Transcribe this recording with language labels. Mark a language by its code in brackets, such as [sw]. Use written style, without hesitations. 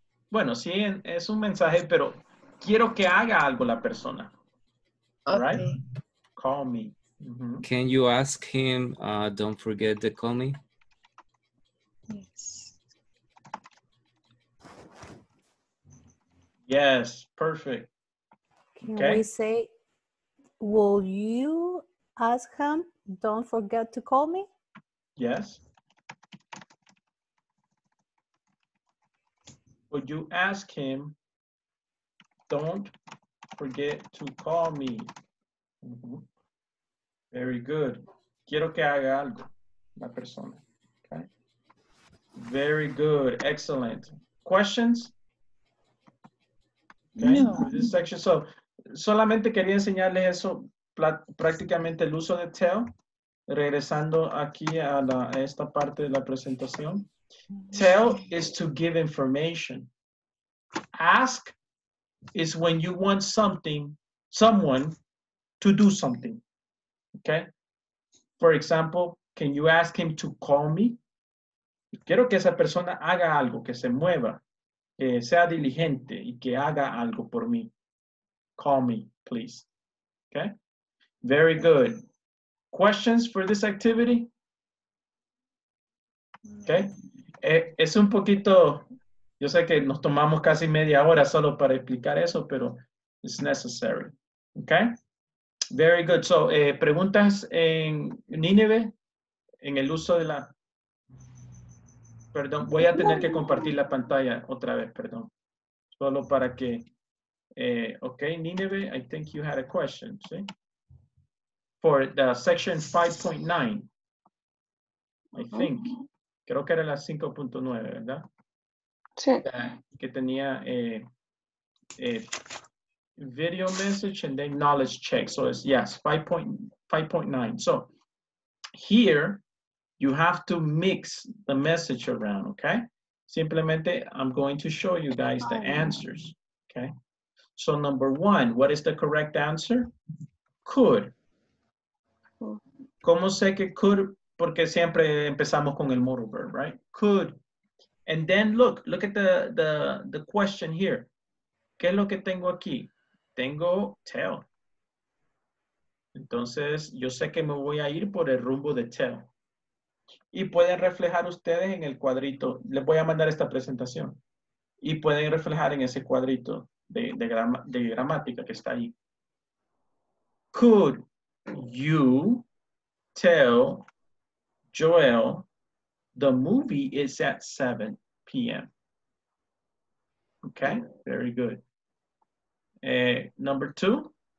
[es] Bueno, sí, es un mensaje, pero quiero que haga algo la persona. [en] Okay. All right? Call me. Can you ask him, don't forget to call me? Yes. Yes, perfect. Can we say, will you ask him, don't forget to call me? Yes. Would you ask him, don't forget to call me? Very good. [es] Quiero que haga algo, la persona. Okay. [en] Very good. Excellent. Questions? Okay. No. This section. [es] So, solamente quería enseñarles eso, prácticamente el uso de tell. Regresando aquí a esta parte de la presentación. [en] Tell is to give information. Ask is when you want someone to do something. Okay? For example, can you ask him to call me? [es] Quiero que esa persona haga algo, que se mueva, que sea diligente y que haga algo por mí. [en] Call me, please. Okay? Very good. Questions for this activity? [es] Okay. Es un poquito, yo sé que nos tomamos casi media hora solo para explicar eso, pero [en] it's necessary. [es] Okay. Very good. So, preguntas en Nineveh, en el uso de la, perdón, voy a tener que compartir la pantalla otra vez, perdón. Solo para que, [en] okay, Nineveh, I think you had a question, ¿sí? For the section 5.9, I think. [es] Creo que era la 5.9, ¿verdad? Sí. Que tenía [en] video message and then knowledge check. So it's, yes, 5.9. So here you have to mix the message around, okay? Simplemente I'm going to show you guys the answers, okay? So number one, what is the correct answer? Could. [es] ¿Cómo sé que could? Porque siempre empezamos con el modal verb, right? [en] Could. And then look at the question here. [es] ¿Qué es lo que tengo aquí? Tengo tell. Entonces, yo sé que me voy a ir por el rumbo de tell. Y pueden reflejar ustedes en el cuadrito. Les voy a mandar esta presentación. Y pueden reflejar en ese cuadrito de gramática que está ahí. [en] Could you tell Joel the movie is at 7 p.m.? Okay, very good. Number two.